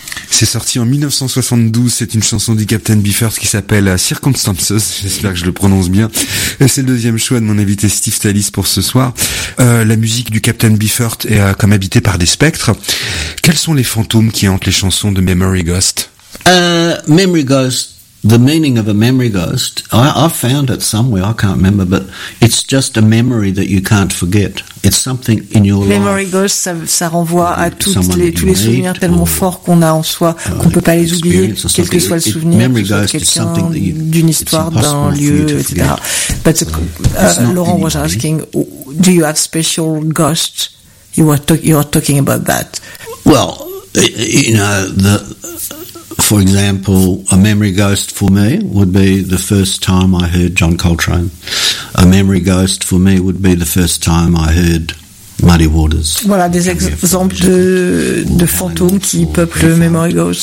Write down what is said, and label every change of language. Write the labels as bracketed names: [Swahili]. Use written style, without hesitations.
[French] C'est sorti en 1972, c'est une chanson du Captain Beefheart qui s'appelle Circumstances, j'espère que je le prononce bien. Et c'est le deuxième choix de mon invité Steve Stalice pour ce soir. La musique du Captain Beefheart est comme habitée par des spectres. Quels sont les fantômes qui hantent les chansons de Memory Ghost? [English] Memory Ghost, the meaning of a memory ghost, I found it somewhere, I can't remember, but it's just a memory that you can't forget. It's something in your memory life. [French] Ghost, ça renvoie à tous les souvenirs tellement forts qu'on a en soi, qu'on ne peut pas les oublier, quel que soit le souvenir, [English] memory ghost is something that you, [French] d'une histoire, d'un lieu, etc. [English] But Laurent was asking, do you have special ghosts? You are talking about that. Well, you know, for example, a memory ghost for me would be the first time I heard John Coltrane. A memory ghost for me would be the first time I heard Muddy Waters. [French] Voilà des exemples de fantômes qui peuplent le Memory Ghost.